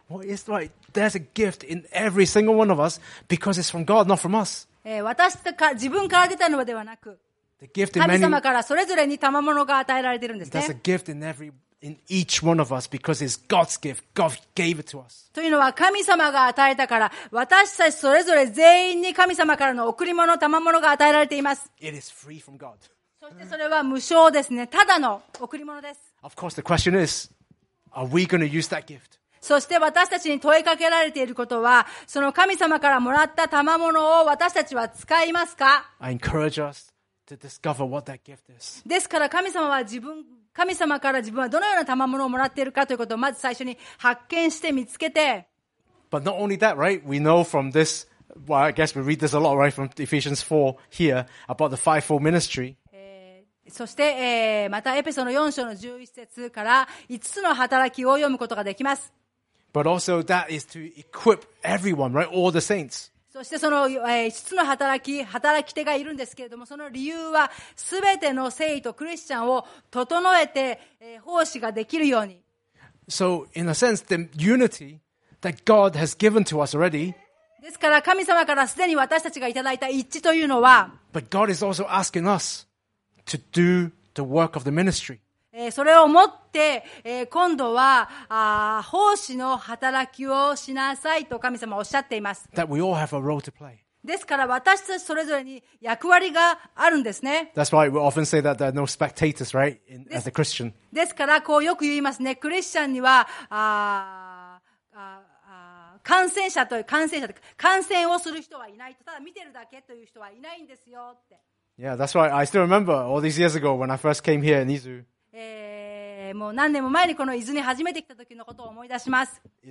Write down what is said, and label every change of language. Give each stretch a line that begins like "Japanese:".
English: Well, it's like there's a gift in every single one of us because it's from God, not from us.
Japanese: 私たち自分から出たのではなく、
English: The gift in many...
Japanese: 神様からそれぞれに賜物が与えられているんですね。
English: That's a gift in every... In each one of us, because it's God's gift. God gave it to us.
Japanese: というのは神様が与えたから、私たちそれぞれ全員に神様からの贈り物、賜物が与えられています。
English: It is free from God.
Japanese: そしてそれは無償ですね。ただの贈り物です。
English: Of course, the question is, are we going to use that gift?
Japanese: そして私たちに問いかけられていることは、その神様からもらった賜物を私たちは使いますか?
English: I encourage us to discover what that gift is.
Japanese: ですから神様は神様から自分はどのような賜物をもらっているかということをまず最初に発見して見つけて。
English: But not only that, right? We know from this, well, I guess we read this a lot, right, from Ephesians 4 here about the fivefold ministry.
Japanese: そして、またエペソの4章の11節から5つの働きを読むことができます。
English: But also that is to equip everyone, right? All the saints.
Japanese: そしてその5つの働き手がいるんですけれども、その理由はすべての聖徒クリスチャンを整えて奉仕ができるように。
English: So in a sense, the unity that God has given to us already.
Japanese: ですから神様からすでに私たちがいただいた一致というのは。
English: But God is also asking us to do the work of the ministry.
Japanese: それをもって今度は奉仕の働きをしなさいと神様はおっしゃっています。
English: That we all have a role to play.
Japanese: ですから私たちそれぞれに役割があるんですね。
English: That's why we often say that there are no spectators, right, as a Christian.
Japanese: ですからこうよく言いますね、クリスチャンには観戦者という観戦をする人はいないと、ただ見てるだけという人はいないんですよって。
English: Yeah, that's why I still remember all these years ago when I first came here in Izu.
Japanese: もう何年も前にこの伊豆に初めて来た時のことを思い出します。